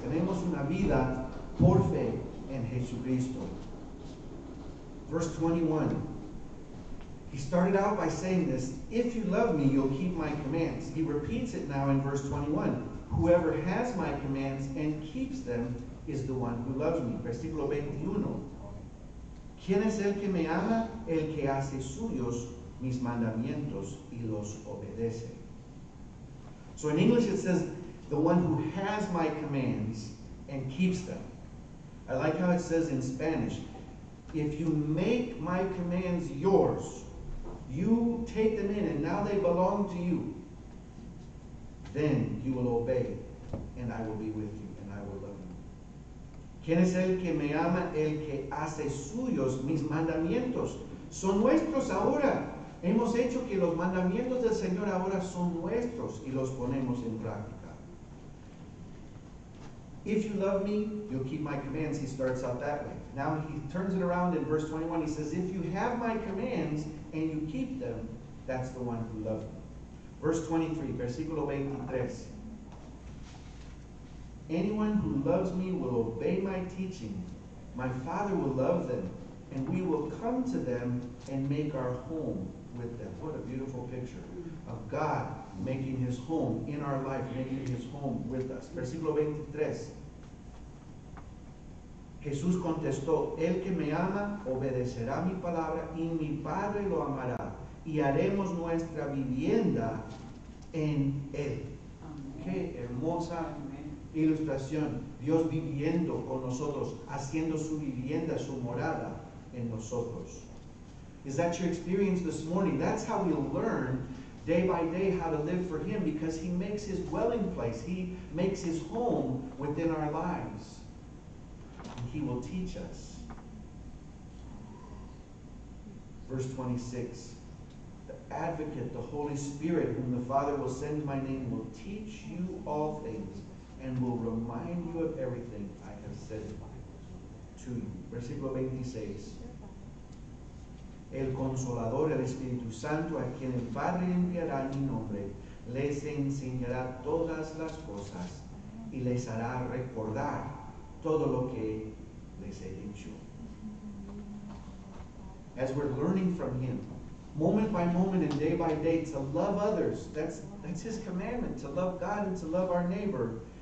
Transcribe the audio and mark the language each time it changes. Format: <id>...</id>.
<es>Tenemos una vida por fe en Jesucristo.</es> <en>Verse 21. He started out by saying this, if you love me, you'll keep my commands. He repeats it now in verse 21. Whoever has my commands and keeps them is the one who loves me.</en> <es>Versículo 21. ¿Quién es el que me ama? El que hace suyos mis mandamientos y los obedece.</es> <en>So in English it says, the one who has my commands and keeps them. I like how it says in Spanish, if you make my commands yours, you take them in and now they belong to you, then you will obey and I will be with you and I will love you.</en> <es>¿Quién es el que me ama? El que hace suyos mis mandamientos. Son nuestros ahora. Hemos hecho que los mandamientos del Señor ahora son nuestros y los ponemos en práctica.</es> <en>If you love me, you'll keep my commands. He starts out that way. Now he turns it around in verse 21. He says, if you have my commands and you keep them, that's the one who loves me. Verse 23,</en> <es>versículo 23.</es> <en>Anyone who loves me will obey my teaching. My Father will love them, and we will come to them and make our home with them. What a beautiful picture of God making his home in our life, making his home with us.</en> <es>Versículo 23. Jesús contestó, el que me ama obedecerá mi palabra y mi Padre lo amará y haremos nuestra vivienda en él. Amén. Qué hermosa ilustración. Dios viviendo con nosotros, haciendo su vivienda, su morada en nosotros.</es> <en>Is that your experience this morning? That's how we'll learn day by day how to live for him, because he makes his dwelling place. He makes his home within our lives. And he will teach us. Verse 26. The advocate, the Holy Spirit, whom the Father will send in my name, will teach you all things and will remind you of everything I have said to you.</en> <es>Versículo 26. El Consolador, el Espíritu Santo, a quien el Padre enviará en mi nombre, les enseñará todas las cosas y les hará recordar todo lo que les he dicho.</es> <en>As we're learning from him, moment by moment and day by day, to love others, that's his commandment, to love God and to love our neighbor.</en>